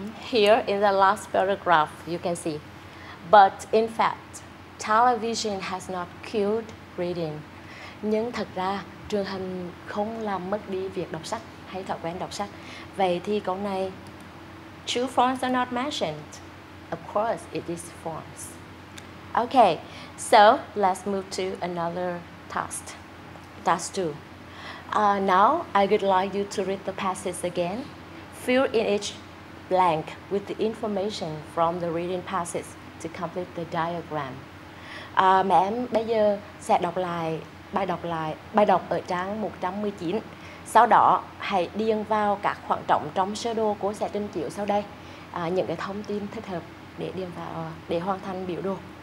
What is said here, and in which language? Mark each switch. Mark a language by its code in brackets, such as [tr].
[en] Here in the last paragraph, you can see. But in fact, television has not killed reading. [vi] Nhưng thật ra, truyền hình không làm mất đi việc đọc sách hay thói quen đọc sách. Vậy thì câu này, [en] true fonts are not mentioned. Of course, it is false. Okay, so let's move to another task. Task 2. Now, I would like you to read the passage again. Fill in each blank with the information from the reading passage to complete the diagram. [vi] Mẹ em bây giờ sẽ đọc lại bài đọc ở trang 119. Sau đó hãy điền vào các khoảng trống trong sơ đồ của sách trình chiếu sau đây những cái thông tin thích hợp để điền vào để hoàn thành biểu đồ.